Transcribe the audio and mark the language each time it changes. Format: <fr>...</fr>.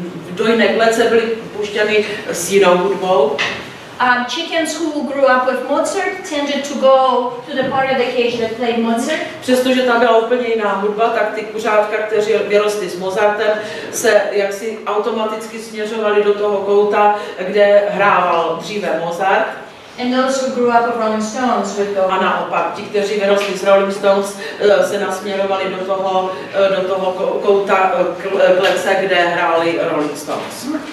<cs>Do jiné klece byly puštěny s jinou hudbou.</cs> <en>Chickens who grew up with Mozart tended to go to the part of the cage that played Mozart.</en> <cs>Přestože tam byla úplně jiná hudba, tak ty kuřátka, kteří vyrostli s Mozartem, se jaksi automaticky směřovali do toho kouta, kde hrával dříve Mozart.</cs> <en>And those who grew up with Rolling Stones would go.</en> <cs>A naopak, ti, kteří vyrostli s Rolling Stones, se nasměrovali do toho kouta klece, kde hráli Rolling Stones.</cs>